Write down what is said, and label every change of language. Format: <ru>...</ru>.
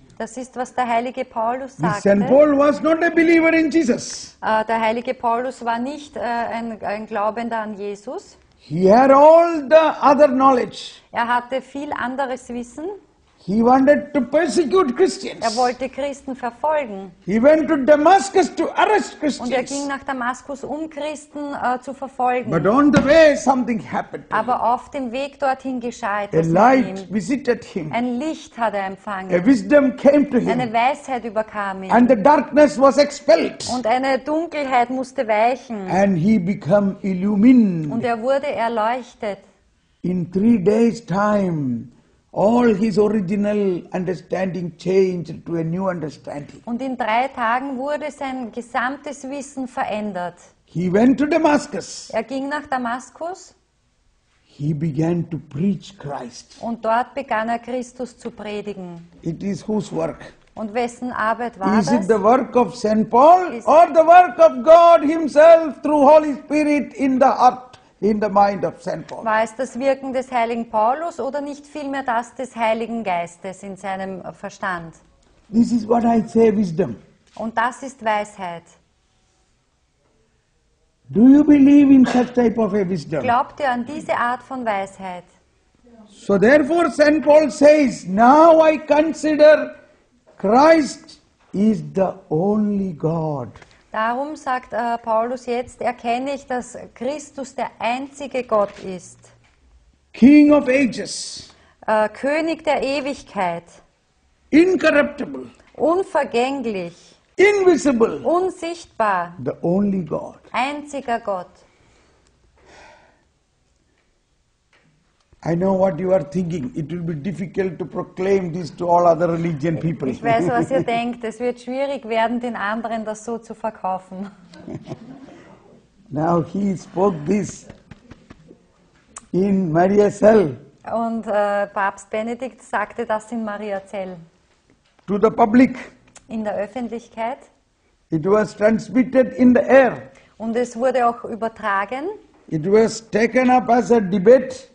<de>Das ist, was der heilige Paulus sagte.</de> <en>St. Paul was not a believer in Jesus.</en> <de>Der heilige Paulus war nicht ein Glaubender an Jesus.</de> <en>He had all the other knowledge.</en> <de>Er hatte viel anderes Wissen.</de> <en>He wanted to persecute Christians.</en> <de>Er wollte Christen verfolgen.</de> <en>He went to Damascus to arrest Christians.</en> <de>Und er ging nach Damaskus, um Christen zu verfolgen.</de> <en>But on the way, something happened.</en> <de>Aber auf dem Weg dorthin geschah etwas.</de> <en>A light visited him.</en> <de>Ein Licht hat er empfangen.</de> <en>A wisdom came to him.</en> <de>Eine Weisheit überkam ihn.</de> <en>And the darkness was expelled.</en> <de>Und eine Dunkelheit musste weichen.</de> <en>And he became illumined.</en> <de>Und er wurde erleuchtet.</de> <en>In 3 days' time. All his original understanding changed to a new understanding.</en> <de>Und in 3 Tagen wurde sein gesamtes Wissen verändert.</de> <en>He went to Damascus.</en> <de>Er ging nach Damaskus.</de> <en>He began to preach Christ.</en> <de>Und dort begann er Christus zu predigen.</de> <en>It is whose work?</en> <de>Und wessen Arbeit war</de> <en>das? Is it the work of St. Paul or the work of God himself through Holy Spirit in the heart? In the mind of St. Paul.</en> <de>War es das Wirken des heiligen Paulus oder nicht vielmehr das des Heiligen Geistes in seinem Verstand?</de> <en>This is what I say, wisdom.</en> <de>Und das ist Weisheit.</de> <en>Do you believe in such type of a wisdom?</en> <de>Glaubt ihr an diese Art von Weisheit?</de> <en>So therefore St. Paul says, now I consider Christ is the only God.</en> <de>Darum sagt Paulus jetzt, erkenne ich, dass Christus der einzige Gott ist.</de> <en>King of ages.</en> <de>König der Ewigkeit.</de> <en>Incorruptible.</en> <de>Unvergänglich.</de> <en>Invisible.</en> <de>Unsichtbar.</de> <en>The only God.</en> <de>Einziger Gott.</de> <en>I know what you are thinking. It will be difficult to proclaim this to all other religion people.</en> <de>Ich weiß, was ihr denkt. Es wird schwierig werden, den anderen das so zu verkaufen.</de> <en>Now he spoke this in Mariazell.</en> <de>Und Papst Benedikt sagte das in Mariazell.</de> <en>To the public.</en> <de>In der Öffentlichkeit.</de> <en>It was transmitted in the air.</en> <de>Und es wurde auch übertragen.</de> <en>It was taken up as a debate.</en>